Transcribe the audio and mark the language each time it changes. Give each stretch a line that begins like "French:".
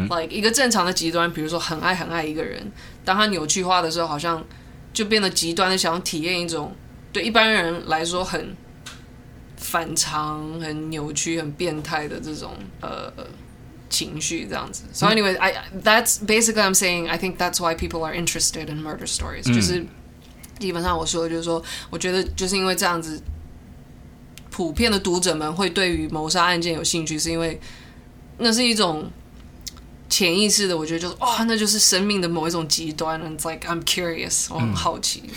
Chinese: 一个正常的极端，比如说很爱很爱一个人，当他扭曲化的时候，好像就变得极端的想要体验一种对一般人来说很反常、很扭曲、很变态的这种情绪这样子。
English: So anyway, that's basically I'm saying. I think that's why people are interested in murder stories.
Chinese: 就是基本上我说的就是说，我觉得就是因为这样子，普遍的读者们会对于谋杀案件有兴趣，是因为那是一种潜意识的，我觉得就是哇，那就是生命的某一种极端。
English: And it's like I'm curious，
Chinese: 我很好奇。